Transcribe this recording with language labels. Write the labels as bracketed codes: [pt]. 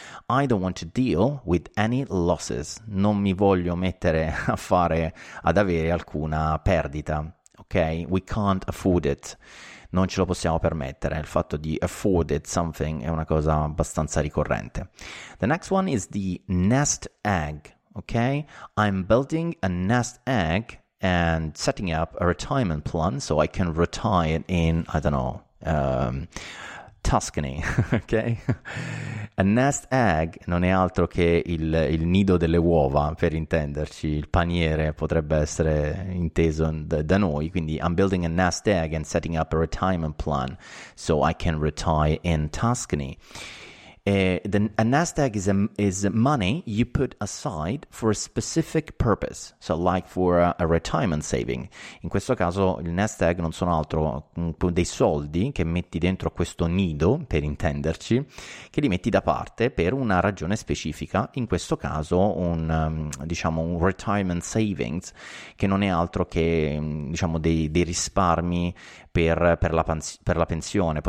[en] I don't want to deal with any losses. [it] Non mi voglio mettere ad avere alcuna perdita, ok? [en] We can't afford it. [it] Non ce lo possiamo permettere. Il fatto di afforded something è una cosa abbastanza ricorrente. [en] The next one is the nest egg. okay? I'm building a nest egg and setting up a retirement plan so I can retire in, I don't know, Tuscany, okay? [it] A nest egg non è altro che il nido delle uova, per intenderci, il paniere potrebbe essere inteso da noi, quindi [en] I'm building a nest egg and setting up a retirement plan so I can retire in Tuscany. A nest egg is money you put aside for a specific purpose, so like for a retirement saving. [it] In questo caso il nest egg non sono altro dei soldi che metti dentro questo nido, per intenderci, che li metti da parte per una ragione specifica, in questo caso un diciamo un retirement savings, che non è altro che diciamo dei risparmi per la pensione.